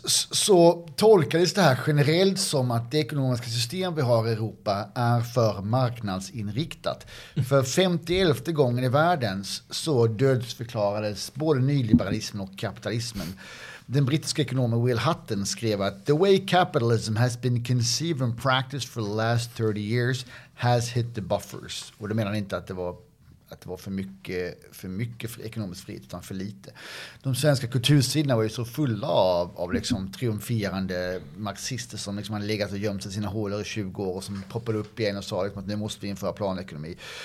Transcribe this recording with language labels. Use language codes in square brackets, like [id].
[sv] Så tolkades det här generellt som att det ekonomiska system vi har i Europa är för marknadsinriktat. För 51:e gången i världen så dödsförklarades både nyliberalismen och kapitalismen. Den brittiska ekonomen Will Hutton skrev att [en] "The way capitalism has been conceived and practiced for the last 30 years has hit the buffers." [sv] Och det menar inte att det var... att det var för mycket för ekonomiskt frihet, utan för lite. De svenska kultursidorna var ju så fulla av liksom triumferande marxister som liksom hade legat och gömt sig i sina hålor i 20 år och som poppade upp igen och sa liksom att nu måste vi införa planekonomi.